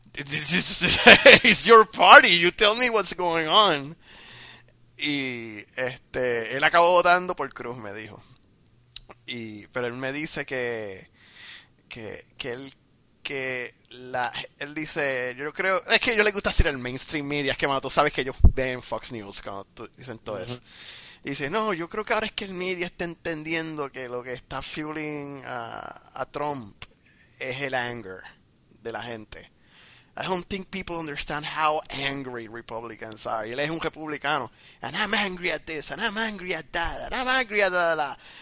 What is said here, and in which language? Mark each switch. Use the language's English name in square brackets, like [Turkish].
[English] It's your party, you tell me what's going on." [Spanish] Y él acabó votando por Cruz, me dijo. Pero él me dice que él que la él dice, yo creo, es que yo le gusta decir el mainstream media, es que mano, tú sabes que ellos ven Fox News cuando dicen todo eso. Y dice: "No, yo creo que ahora es que el media está entendiendo que lo que está fueling a Trump es el anger de la gente. [English] I don't think people understand how angry Republicans are." [Spanish] Y él es un republicano. [English] "And I'm angry at this, and I'm angry at that, and I'm angry at da, da, da."